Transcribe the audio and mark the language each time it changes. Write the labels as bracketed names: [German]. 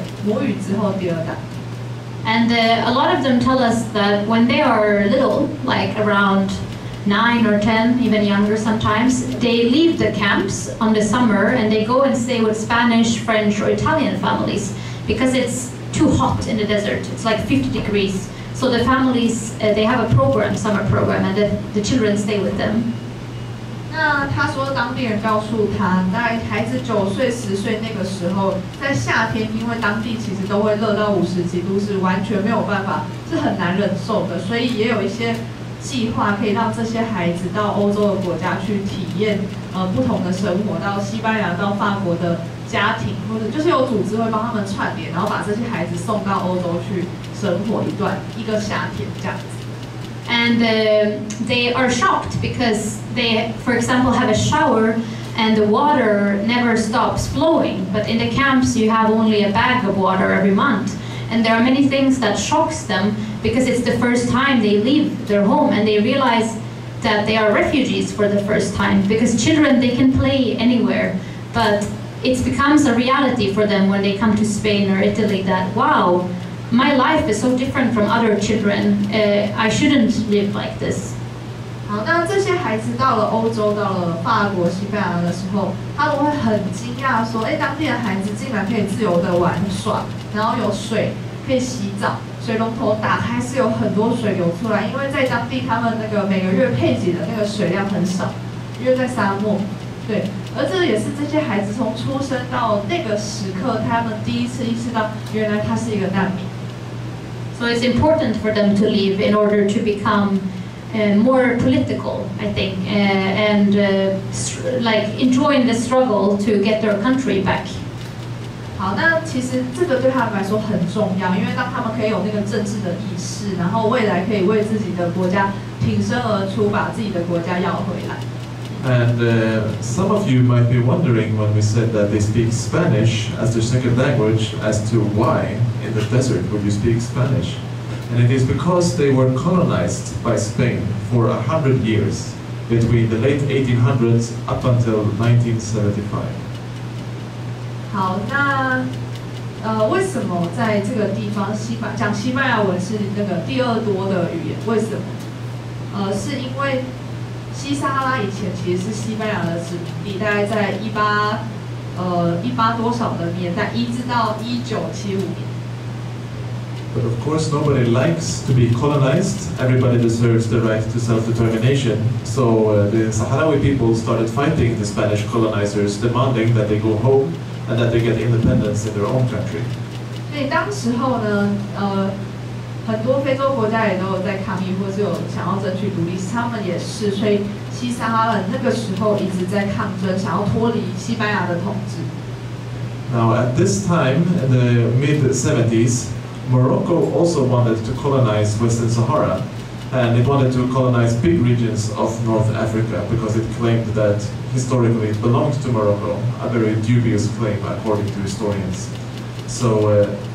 [Chinese] 就是他们当地的语言，所以当地的孩子其实他们受到的教育有很多种语言，但是西班牙文是第二大，对，母语之后第二大。 [English] And a lot of them tell us that when they are little, like around 9 or 10, even younger sometimes, they leave the camps on the summer and they go and stay with Spanish, French, or Italian families because it's too hot in the desert. It's like 50 degrees. So the families, they have a program, summer program, and the children stay with them. [Chinese] 那他说当地人告诉他，在孩子九岁、十岁那个时候，在夏天，因为当地其实都会热到50几度，是完全没有办法，是很难忍受的。所以也有一些计划可以让这些孩子到欧洲的国家去体验不同的生活，到西班牙、到法国的家庭，或者就是有组织会帮他们串联，然后把这些孩子送到欧洲去生活一段一个夏天这样子。 [English] And they are shocked because they, for example, have a shower and the water never stops flowing. But in the camps, you have only a bag of water every month. And there are many things that shocks them because it's the first time they leave their home and they realize that they are refugees for the first time. Because children, they can play anywhere. But it becomes a reality for them when they come to Spain or Italy that, wow,My life is so different from other children. I shouldn't live like this. [Chinese] 好，那这些孩子到了欧洲，到了法国、西班牙的时候，他们会很惊讶说：“哎，当地的孩子竟然可以自由的玩耍，然后有水可以洗澡，水龙头打开是有很多水流出来，因为在当地他们那个每个月配给的那个水量很少，因为在沙漠。对，而这也是这些孩子从出生到那个时刻，他们第一次意识到，原来他是一个难民。” [English] So it's important for them to leave in order to become more political, I think, and like enjoying the struggle to get their country back. [Chinese] 好，那其实这个对他们来说很重要，因为当他们可以有那个政治的意识，然后未来可以为自己的国家挺身而出，把自己的国家要回来。 [English] And some of you might be wondering when we said that they speak Spanish as their second language as to why in the desert would you speak Spanish. And it is because they were colonized by Spain for 100 years between the late 1800s up until 1975. [Chinese] 好，那为什么在这个地方讲西班牙文是那个第二多的语言？为什么？是因为西撒哈拉以前其实是西班牙的殖民地，大概在一八多少的年代，一直到1975年。 [English] But of course, nobody likes to be colonized. Everybody deserves the right to self-determination. So the Sahrawi people started fighting the Spanish colonizers, demanding that they go home and that they get independence in their own country. [Chinese] 对，当时候呢，很多非洲国家也都有在抗议，或是有想要争取独立，他们也是，所以西撒哈拉那个时候一直在抗争，想要脱离西班牙的统治。 [English] Now at this time in the mid-70s, Morocco also wanted to colonize Western Sahara, and it wanted to colonize big regions of North Africa because it claimed that historically it belonged to Morocco, a very dubious claim according to historians. So.